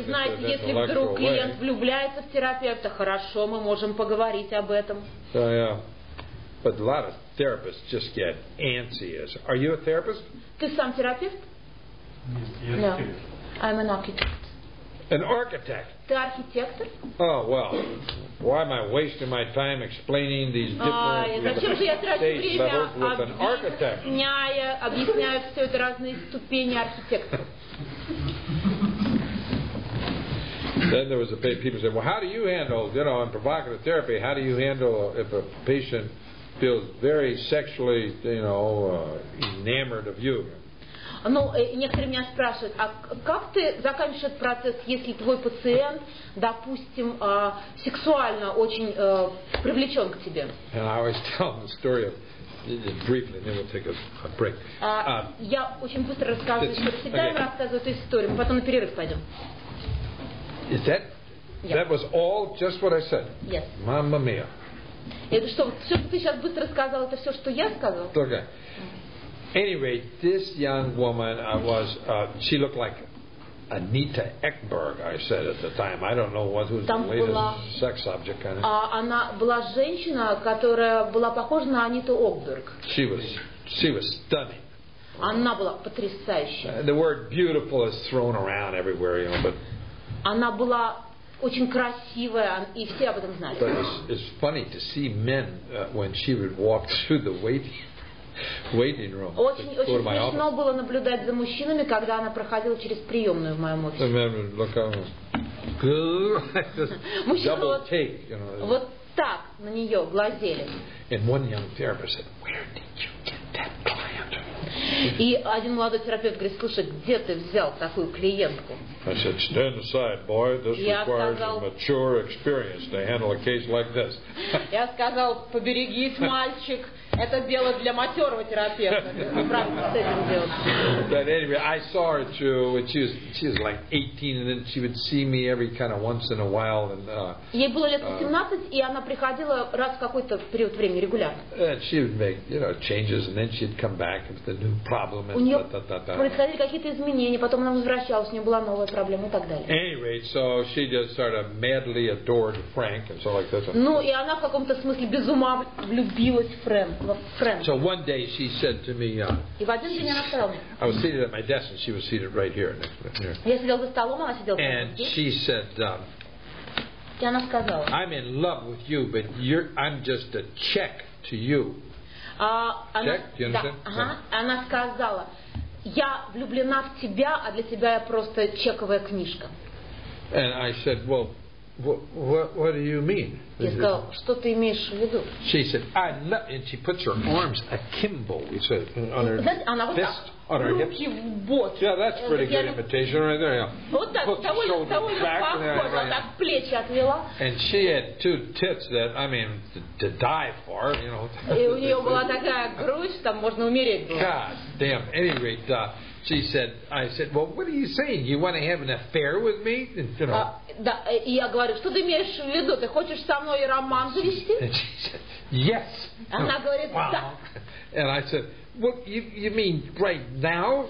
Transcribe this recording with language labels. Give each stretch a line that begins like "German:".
Russian: ways. И знаете, если вдруг клиент влюбляется в терапевта, хорошо, мы можем поговорить об этом.
English: So, yeah. But a lot of therapists just get antsy. Are you a therapist?
Russian: Ты сам терапевт?
English: Yes, no. I'm an architect. An architect.
Russian: Ты архитектор?
English: Oh, well, why am I wasting my time explaining these different states levels with an architect?
Russian: Объясняю все это разные ступени архитектора.
English: Then there was a people said, well, how do you handle, you know, in provocative therapy, how do you handle if a patient feels very sexually, you know, enamored of you?
Russian: Ну, некоторые меня спрашивают, а как ты заканчиваешь этот процесс, если твой пациент, допустим, сексуально очень привлечен к тебе?
English: And I always tell them the story of, briefly, then we'll take a break.
Russian: Я очень быстро рассказываю, что всегда им рассказываю эту историю, мы потом на перерыв пойдем.
English: Is that, that was all just what I said? Yes.
Italian: Mamma mia.
Russian: Это что, все, что ты сейчас быстро сказал, это все, что я сказал?
English: Okay. Anyway, this young woman, I was, she looked like Anita Ekberg, I said at the time. I don't know what who's
Russian: Там
English: the latest
Russian: была,
English: sex object kind of.
Russian: Она была женщина, которая была похожа на Аниту Окберг.
English: She was stunning.
Russian: Она была потрясающая.
English: The word beautiful is thrown around everywhere, you know, but.
Russian: Она была очень красивая, и все об этом знали.
English: But it's funny to see men when she would walk through the waiting room.
Russian: Очень смешно было наблюдать за мужчинами, когда она проходила через приемную в моем офисе. Мужчины вот,
English: you know,
Russian: вот так на нее глазели.
English: And one young therapist said, "Where did you get that client?"
Russian: И один молодой терапевт говорит, слушай, где ты взял такую клиентку?
English: I said, stand aside, boy. This
Russian: Я
English: requires
Russian: сказал,
English: a mature experience to handle a case like this.
Russian: Я сказал, поберегись, мальчик. Это дело для матерого терапевта. Правда, с этим делать.
English: But anyway, I saw her too. She was like 18, and then she would see me every kind of once in a while. And,
Russian: ей было лет 17, и она приходила раз в какой-то период времени регулярно.
English: And she would make, you know, changes, and then she'd come back with the new problem.
Russian: У нее происходили какие-то изменения, потом она возвращалась, у нее была новая проблема и так далее.
English: Anyway, so she just sort of madly adored Frank and so like this.
Russian: Ну, и она в каком-то смысле без ума влюбилась в Фрэнк.
English: So one day she said to me, I was seated at my desk and she was seated right here. Next, right here. And she said, I'm in love with you, but I'm just a check to you. Check? Do you understand?
Russian: Она сказала, я влюблена в тебя, а для тебя я просто чековая книжка.
English: And I said, well, what do you mean? She said, I love, and she puts her arms akimbo, we said, on her fist, on her hips. Yeah, that's pretty good imitation right there. Yeah. Put the shoulder back and there. And she had two tits that, I mean, to die for, you know. God damn. Anyway, she said, I said, well, what are you saying? You want to have an affair with me? And, you know,
Russian: да, и я говорю, что ты имеешь в виду? Ты хочешь со мной роман завести?
English: Yes.
Russian: Она говорит, wow. Да.
English: And I said, well, you mean right now?